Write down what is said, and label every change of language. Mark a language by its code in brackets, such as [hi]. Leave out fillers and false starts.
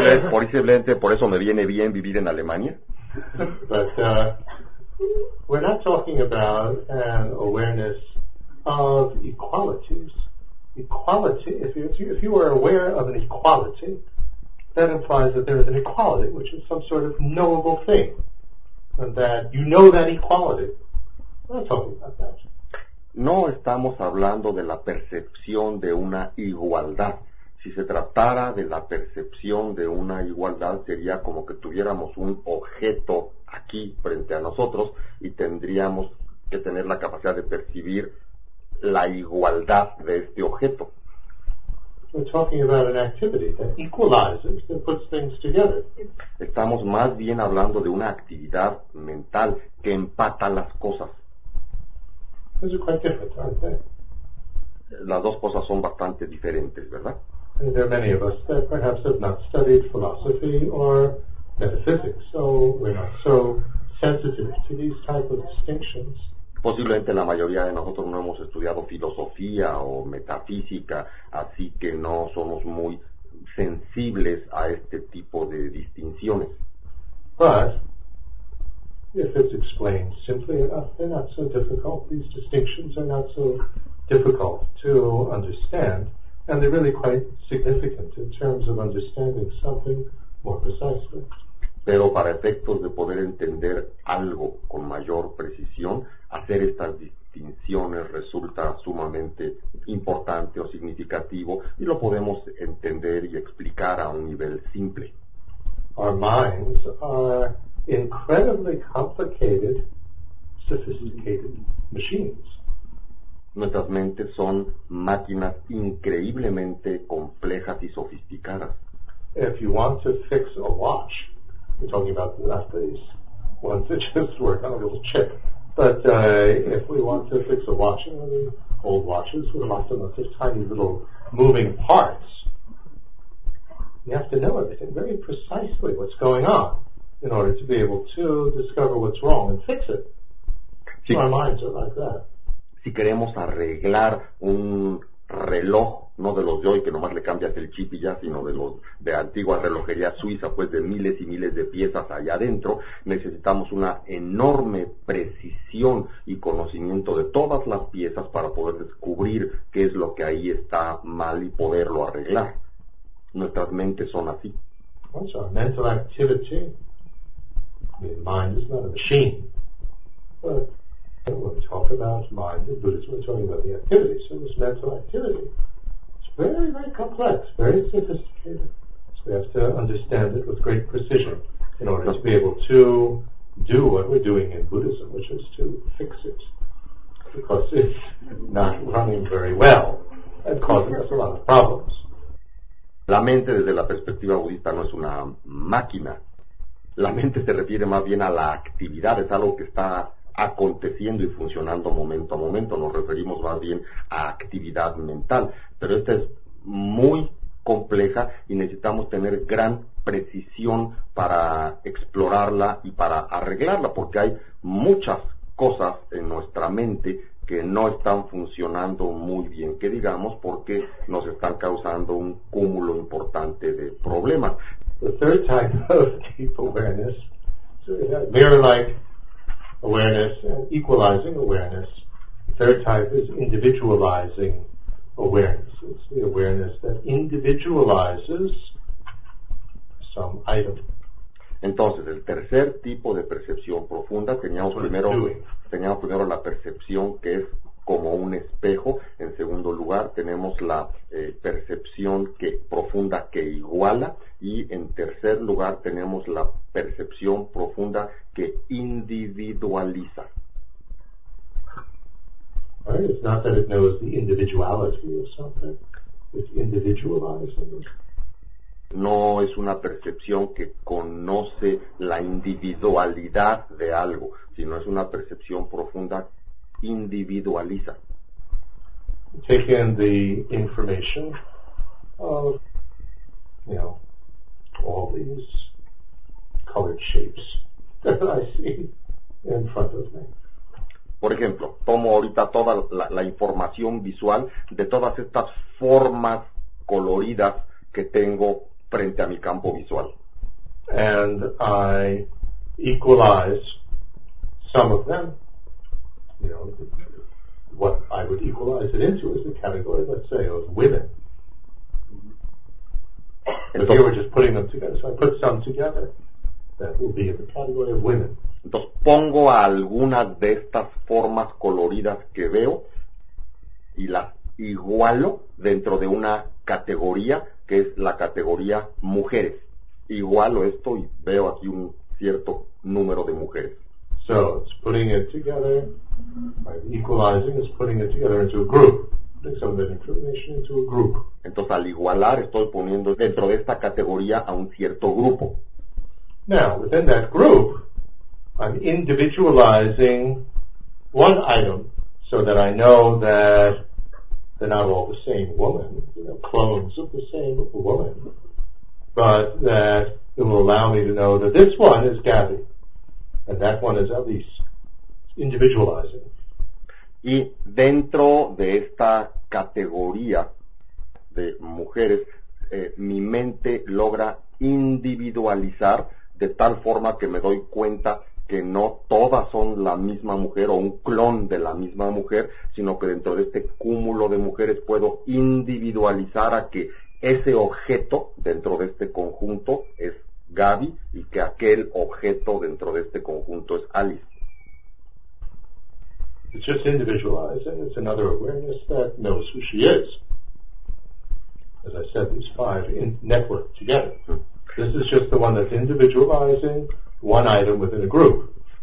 [es] Posiblemente por eso me viene bien vivir en Alemania. [en] But we're not talking about an awareness of equalities. Equality, if you are aware of an equality, that implies that there is an equality, which is some sort of knowable thing, and that you know that equality. We're not talking about that. [es] No estamos hablando de la percepción de una igualdad. Si se tratara de la percepción de una igualdad, sería como que tuviéramos un objeto aquí frente a nosotros y tendríamos que tener la capacidad de percibir la igualdad de este objeto. [en] We're talking about an activity that equalizes, that puts things together. [es] Estamos más bien hablando de una actividad mental que empata las cosas. [en] Those are quite different, aren't they? [es] Las dos cosas son bastante diferentes, ¿verdad? [en] And there are many of us that perhaps have not studied philosophy or metaphysics, so we're not so sensitive to these type of distinctions. [es] Posiblemente la mayoría de nosotros no hemos estudiado filosofía o metafísica, así que no somos muy sensibles a este tipo de distinciones. [en] But if it's explained simply enough, they're not so difficult. These distinctions are not so difficult to understand. And they're really quite significant in terms of understanding something more precisely. [es] Pero para efectos de poder entender algo con mayor precisión, hacer estas distinciones resulta sumamente importante o significativo, y lo podemos entender y explicar a un nivel simple. [en] Our minds are incredibly complicated, sophisticated machines. [es] Nuestras mentes son máquinas increíblemente complejas y sofisticadas. [en] If you want to fix a watch, we're talking about not these ones that just work on a little chip, but if we want to fix a watch, you know, the old watches with lots of just tiny little moving parts, you have to know everything very precisely what's going on in order to be able to discover what's wrong and fix it. Si, our minds are like that. [es] Si queremos arreglar un reloj, no de los de hoy, que nomás le cambias el chip y ya, sino de los de antigua relojería suiza, pues de miles y miles de piezas allá adentro, necesitamos una enorme precisión y conocimiento de todas las piezas para poder descubrir qué es lo que ahí está mal y poderlo arreglar. Nuestras mentes son así. [en] What's our mental activity? The mind is not a machine. But when we talk about mind in Buddhism, we're talking about the activity. So this mental activity, it's very, very complex, very sophisticated. So we have to understand it with great precision in order to be able to do what we're doing in Buddhism, which is to fix it. Because it's not running very well and causing us a lot of problems. [es] La mente desde la perspectiva budista no es una máquina. La mente se refiere más bien a la actividad, es algo que está aconteciendo y funcionando momento a momento. Nos referimos más bien a actividad mental. Pero esta es muy compleja y necesitamos tener gran precisión para explorarla y para arreglarla, porque hay muchas cosas en nuestra mente que no están funcionando muy bien, que digamos, porque nos están causando un cúmulo importante de problemas. [en] The third type of deep awareness, mirror-like awareness and equalizing awareness. The third type is individualizing awareness. It's the awareness that individualizes some item. [es] Entonces, el tercer tipo de percepción profunda, teníamos primero la percepción, que es como un espejo. En segundo lugar, tenemos la percepción que profunda que iguala. Y en tercer lugar, tenemos la percepción profunda que individualiza. [en] Right, it's not that it knows the individuality or something. It's individualizing. [es] No es una percepción que conoce la individualidad de algo, sino es una percepción profunda individualiza. [en] Take in the information of, you know, all these colored shapes that I see in front of me. [es] Por ejemplo, tomo ahorita toda la información visual de todas estas formas coloridas que tengo frente a mi campo visual. [en] And I equalize some of them. You know, what I would equalize it into is the category, let's say, of women. Entonces, if you were just putting them together, so I put some together, that would be in the category of women. [es] Entonces pongo a algunas de estas formas coloridas que veo y las igualo dentro de una categoría que es la categoría mujeres. Igualo esto y veo aquí un cierto número de mujeres. [en] So, it's putting it together, right? Equalizing is putting it together into a group. Putting some of that information into a group. [es] Entonces, al igualar, estoy poniendo dentro de esta categoría a un cierto grupo. [en] Now, within that group, I'm individualizing one item so that I know that they're not all the same woman, you know, clones of the same woman, but that it will allow me to know that this one is Gabby, and that one is Elise. Individualizing. [es] Y dentro de esta categoría de mujeres, mi mente logra individualizar de tal forma que me doy cuenta que no todas son la misma mujer o un clon de la misma mujer, sino que dentro de este cúmulo de mujeres puedo individualizar a que ese objeto dentro de este conjunto es Gaby y que aquel objeto dentro de este conjunto es Alice. [en] It's just individualizing. It's another awareness that knows who she is. As I said, these five network together. This is just the one that's individualizing one item within a group.